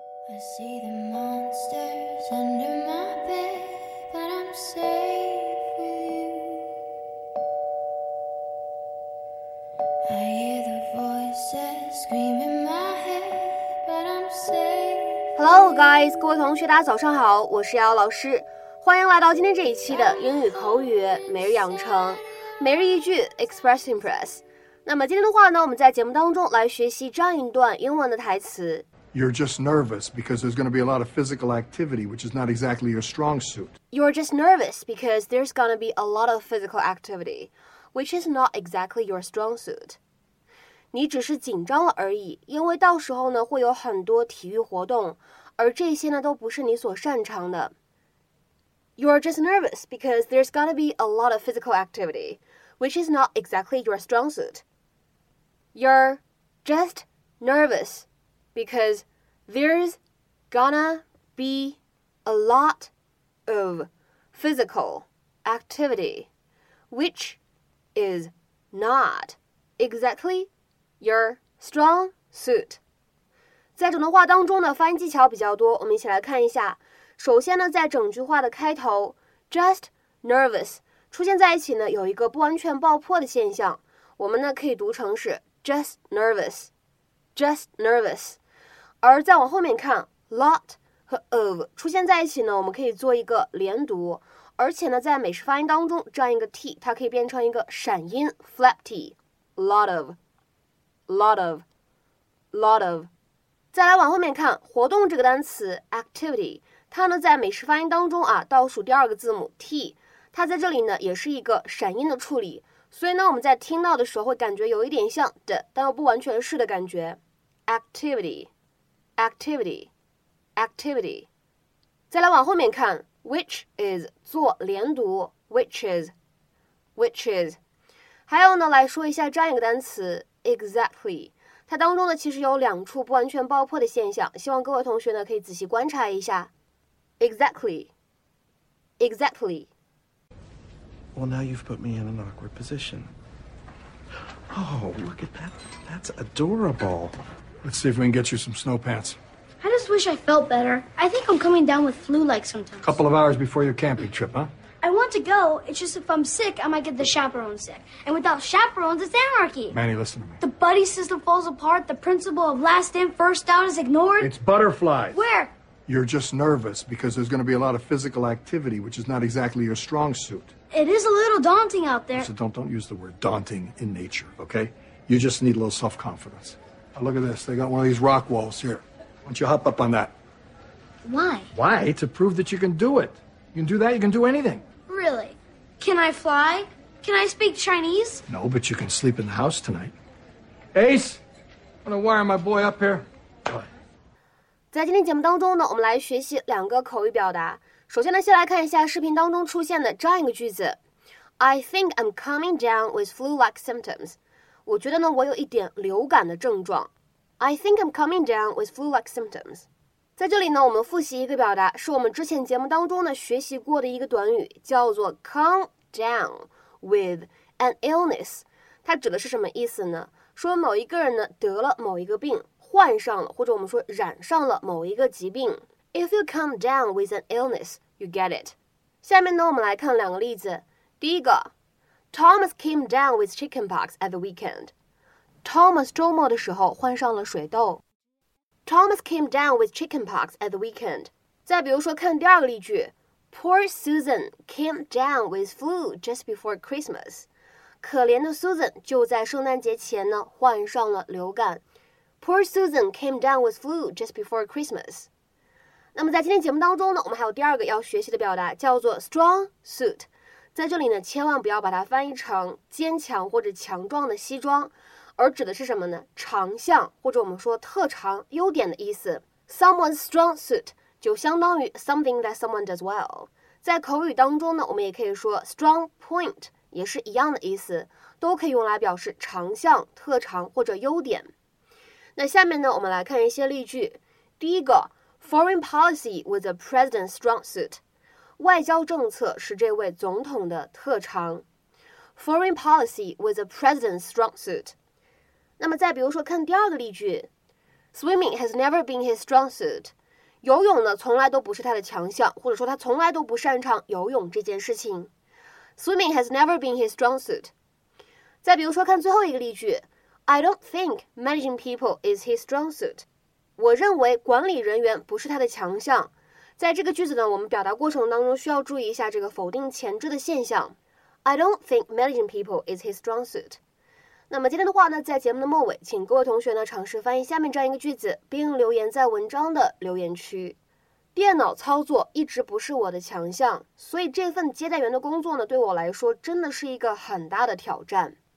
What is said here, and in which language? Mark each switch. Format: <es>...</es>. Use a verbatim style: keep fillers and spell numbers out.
<en>I see the monsters under my bed, but I'm safe with you. I hear the voices scream in my head, but I'm safe. Hello guys，</en> <zh>各位同学大家早上好，我是姚老师，欢迎来到今天这一期的英语口语每日养成，每日一句 Express Impress。那么今天的话呢，我们在节目当中来学习这样一段英文的台词。</zh> <en>You're just nervous because there's going to be a lot of physical activity, which is not exactly your strong suit. You're just nervous because there's going to be a lot of physical activity, which is not exactly your strong suit.</en> <zh>你只是紧张了而已，因为到时候呢会有很多体育活动，而这些呢都不是你所擅长的。</zh> <en>You're just nervous because there's going to be a lot of physical activity, which is not exactly your strong suit. You're just nervous. Because there's gonna be a lot of physical activity, which is not exactly your strong suit.</en> <zh>在整段话当中呢，发音技巧比较多，我们一起来看一下。首先呢，在整句话的开头 ，just nervous 出现在一起呢，有一个不完全爆破的现象，我们呢可以读成是</zh> <en>just nervous, just nervous.</en> <zh>而再往后面看 lot 和 of 出现在一起呢，我们可以做一个连读，而且呢在美式发音当中，这样一个 t 它可以变成一个闪音 flap t,</zh> <en>lot of, lot of, lot of。</en> <zh>再来往后面看活动这个单词 activity， 它呢在美式发音当中啊，倒数第二个字母 t， 它在这里呢也是一个闪音的处理，所以呢我们在听到的时候会感觉有一点像的，但又不完全是的感觉。</zh> <en>activity Activity, activity.</en> <zh>再来往后面看 ，which is 做连读 ，</zh> <en>which is, which is.</en> <zh>还有呢，来说一下这样一个单词 exactly， 它当中呢其实有两处不完全爆破的现象，希望各位同学呢可以仔细观察一下。</zh> <en>Exactly, exactly. Well, now you've put me in an awkward position. Oh, look at that. That's adorable. Let's see if we can get you some snow pants. I just wish I felt better. I think I'm coming down with flu-like sometimes. Couple of hours before your camping trip, huh? I want to go. It's just if I'm sick, I might get the chaperone sick. And without chaperones, it's anarchy. Manny, listen to me. The buddy system falls apart. The principle of last in, first out is ignored. It's butterflies. Where? You're just nervous because there's going to be a lot of physical activity, which is not exactly your strong suit. It is a little daunting out there. So don't, don't use the word daunting in nature, okay? You just need a little self-confidence. Look at this. They got one of these rock walls here. Why don't you hop up on that? Why? Why? To prove that you can do it. You can do that, you can do anything. Really? Can I fly? Can I speak Chinese? No, but you can sleep in the house tonight. Ace, I'm going to wire my boy up here.</en> <zh>在今天节目当中呢，我们来学习两个口语表达。首先呢，先来看一下视频当中出现的这样一个句子</zh> <en>I think I'm coming down with flu-like symptoms.</en> <zh>我觉得呢，我有一点流感的症状。</zh> <en>I think I'm coming down with flu-like symptoms.</en> <zh>在这里呢，我们复习一个表达，是我们之前节目当中呢学习过的一个短语，叫做</zh> <en>come down with an illness.</en> <zh>它指的是什么意思呢？说某一个人呢得了某一个病，患上了，或者我们说染上了某一个疾病。</zh> <en>If you come down with an illness, you get it.</en> <zh>下面呢，我们来看两个例子。第一个。</zh> <en>Thomas came down with chickenpox at the weekend.</en> <zh>Thomas 周末的时候患上了水痘。</zh> <en>Thomas came down with chickenpox at the weekend.</en> <zh>再比如说看第二个例句</zh> <en>Poor Susan came down with flu just before Christmas.</en> <zh>可怜的 Susan 就在圣诞节前呢患上了流感。</zh> <en>Poor Susan came down with flu just before Christmas.</en> <zh>那么在今天节目当中呢，我们还有第二个要学习的表达，叫做 strong suit。在这里呢，千万不要把它翻译成坚强或者强壮的西装，而指的是什么呢？长项或者我们说特长、优点的意思。</zh> <en>Someone's strong suit</en> <zh>就相当于</zh> <en>something that someone does well。</en> <zh>在口语当中呢，我们也可以说 strong point 也是一样的意思，都可以用来表示长项、特长或者优点。那下面呢，我们来看一些例句。第一个</zh> <en>，Foreign policy was the president's strong suit。</en> <zh>外交政策是这位总统的特长。</zh> <en>Foreign policy was the president's strong suit.</en> <zh>那么再比如说看第二个例句</zh> <en>Swimming has never been his strong suit.</en> <zh>游泳呢，从来都不是他的强项，或者说他从来都不擅长游泳这件事情。</zh> <en>Swimming has never been his strong suit。</en> <zh>再比如说，看最后一个例句</zh> <en>，I don't think managing people is his strong suit。</en> <zh>我认为管理人员不是他的强项。在这个句子呢，我们表达过程当中需要注意一下这个否定前置的现象。</zh> <en>I don't think managing people is his strong suit。</en> <zh>那么今天的话呢，在节目的末尾，请各位同学呢尝试翻译下面这样一个句子，并留言在文章的留言区。电脑操作一直不是我的强项，所以这份接待员的工作呢，对我来说真的是一个很大的挑战。</zh>